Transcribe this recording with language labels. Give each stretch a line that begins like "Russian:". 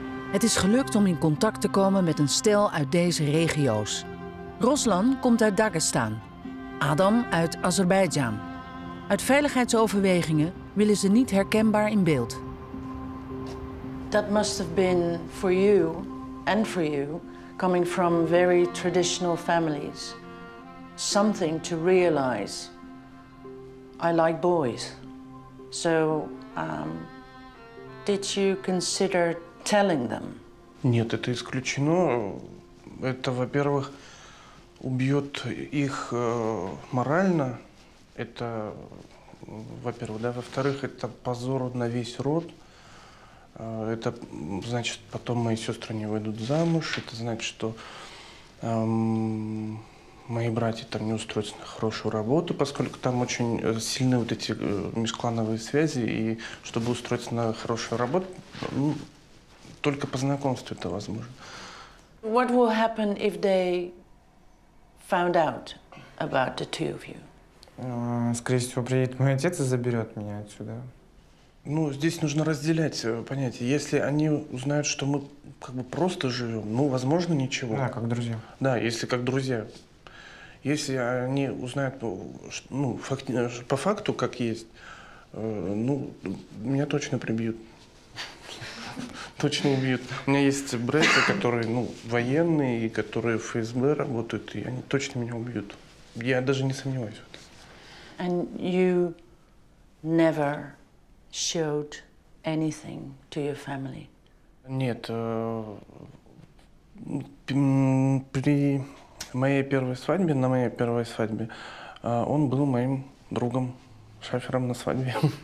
Dutch: Het is gelukt om in contact te komen met een stel uit deze regio's. Roslan komt uit Dagestan, Adam uit Azerbeidzjan. Uit veiligheidsoverwegingen willen ze niet herkenbaar in beeld.
English: That must have been for you and for you coming from very traditional families. Something to realize. I like boys. So did you consider telling them?
Russian: Нет, это исключено. Это, во-первых, убьет их морально. Это, во-первых, да, во-вторых, это позор на весь род. Это значит, потом мои сестры не выйдут замуж. Это значит, что мои братья там не устроятся на хорошую работу, поскольку там очень сильны вот эти межклановые связи. И чтобы устроиться на хорошую работу, ну, только по знакомству это возможно.
English: What will happen if they found out about the two of you?
Russian: Скорее всего, приедет мой отец и заберет меня отсюда. Ну, здесь нужно разделять понятие. Если они узнают, что мы как бы просто живем, ну, возможно, ничего. Да, как друзья. Да, если как друзья. Если они узнают, ну, по факту, как есть, ну, меня точно прибьют. Точно убьют. У меня есть братья, которые, ну, военные, и которые в ФСБ работают, и они точно меня убьют. Я даже не сомневаюсь в этом.
English: And you never showed anything to your family?
Russian: Нет. При моей первой свадьбе, на моей первой свадьбе, он был моим другом, шафером на свадьбе.